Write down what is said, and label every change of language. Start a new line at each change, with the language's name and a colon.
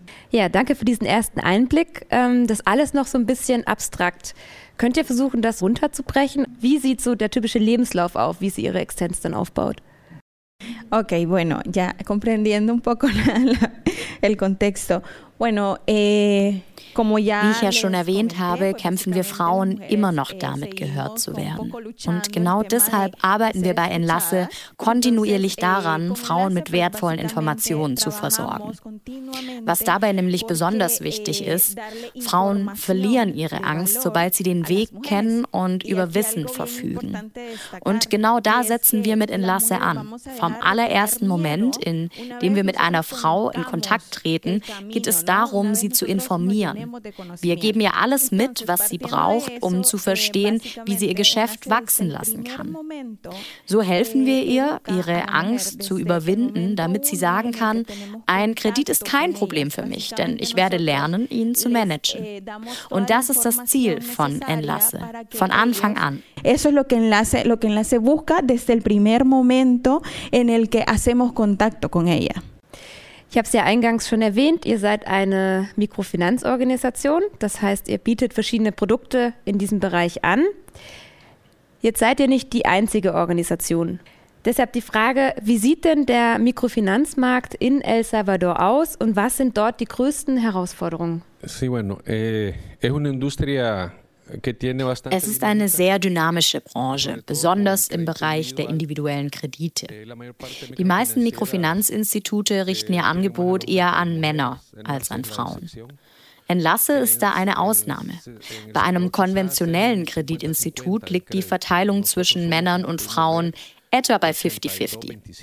German: Ja, danke für diesen ersten Einblick. Das alles noch so ein bisschen abstrakt. Könnt ihr versuchen, das runterzubrechen? Wie sieht so der typische Lebenslauf auf, wie sie ihre Existenz dann aufbaut?
Spanish: Ok, bueno, ya comprendiendo un poco el contexto. Bueno, como ya
German: Wie ich ja schon erwähnt habe, kämpfen wir Frauen immer noch damit, gehört zu werden. Und genau deshalb arbeiten wir bei Enlace kontinuierlich daran, Frauen mit wertvollen Informationen zu versorgen. Was dabei nämlich besonders wichtig ist, Frauen verlieren ihre Angst, sobald sie den Weg kennen und über Wissen verfügen. Und genau da setzen wir mit Enlace an. Vom allerersten Moment, in dem wir mit einer Frau in Kontakt treten, geht es darum, sie zu informieren. Wir geben ihr alles mit, was sie braucht, um zu verstehen, wie sie ihr Geschäft wachsen lassen kann. So helfen wir ihr, ihre Angst zu überwinden, damit sie sagen kann, ein Kredit ist kein Problem für mich, denn ich werde lernen, ihn zu managen. Und das ist das Ziel von Enlace, von Anfang an.
Spanish: Eso es lo que Enlace busca desde el primer momento en el que hacemos contacto con ella.
German: Ich habe es ja eingangs schon erwähnt, ihr seid eine Mikrofinanzorganisation, das heißt, ihr bietet verschiedene Produkte in diesem Bereich an. Jetzt seid ihr nicht die einzige Organisation. Deshalb die Frage, wie sieht denn der Mikrofinanzmarkt in El Salvador aus und was sind dort die größten Herausforderungen?
Spanish: Sí, bueno, es una industria.
German: Es ist eine sehr dynamische Branche, besonders im Bereich der individuellen Kredite. Die meisten Mikrofinanzinstitute richten ihr Angebot eher an Männer als an Frauen. Enlace ist da eine Ausnahme. Bei einem konventionellen Kreditinstitut liegt die Verteilung zwischen Männern und Frauen etwa bei 50-50.